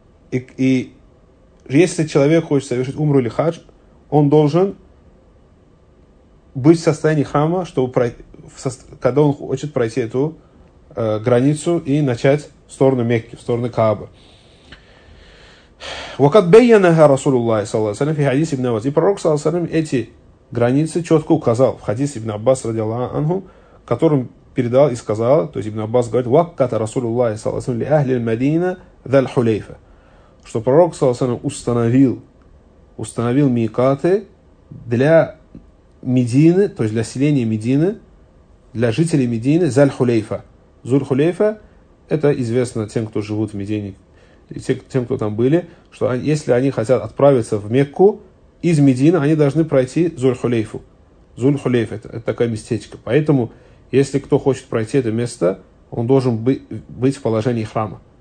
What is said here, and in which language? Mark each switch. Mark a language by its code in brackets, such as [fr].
[ru] И если человек хочет совершить умру или хадж, он должен быть в состоянии храма, чтобы когда он хочет пройти эту границу и начать в сторону Мекки, в сторону Каабы. [ar] وقد بينها رسول الله صلى الله عليه وسلم في حديث ابن عباس. [ru] И пророк صلى الله عليه وسلم эти границы четко указал в хадисе ابن عباس رضي الله عنه, которым передал и сказал, то есть ابن عباس говорит, [ar] وقت رسول الله صلى الله عليه وسلم لأهل المدينة ذا الحليفة, [ru] что пророк صلى الله عليه وسلم установил микаты для Медины, то есть для селения Медины, для жителей Медины, Зальхулейфа. Зульхулейфа, это известно тем, кто живут в Медине, и тем, кто там были, что если они хотят отправиться в Мекку из Медины, они должны пройти Зульхулейфу. Зульхулейф, это такое местечко. Поэтому, если кто хочет пройти это место, он должен быть в положении храма.